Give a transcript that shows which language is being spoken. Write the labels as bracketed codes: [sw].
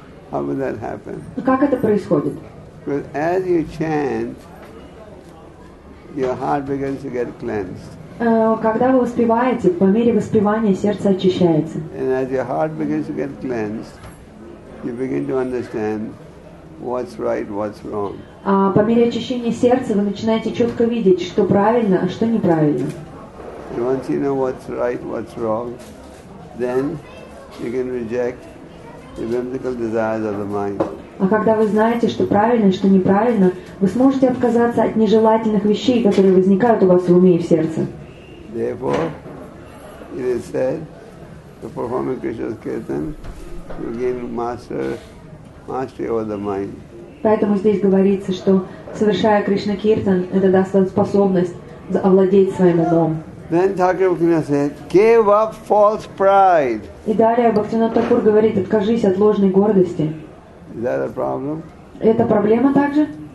[en] How will that happen? [ru] Как это происходит? [en] Because as you chant, your heart begins to get cleansed. [ru] Когда вы воспеваете, по мере воспевания сердце очищается. [en] And as your heart begins to get cleansed, you begin to understand what's right, what's wrong. [ru] А по мере очищения сердца вы начинаете четко видеть, что правильно, а что неправильно. [en] And once you know what's right, what's wrong, then you can reject the whimsical desires of the mind. [ru] А когда вы знаете, что правильно, что неправильно, вы сможете отказаться от нежелательных вещей, которые возникают у вас в уме и в сердце. [en] Therefore, it is said, the performing Krishna's kirtan will gain mastery over the mind. [ru] Поэтому здесь говорится, что совершая Кришна киртан, это даст вам способность овладеть своим умом. [en] Then Thakur Bhaktivinoda said, give up false pride. [ru] И далее Бхактивинода Такур говорит, откажись от ложной гордости. [en] Is that a problem? [ru] Это проблема также?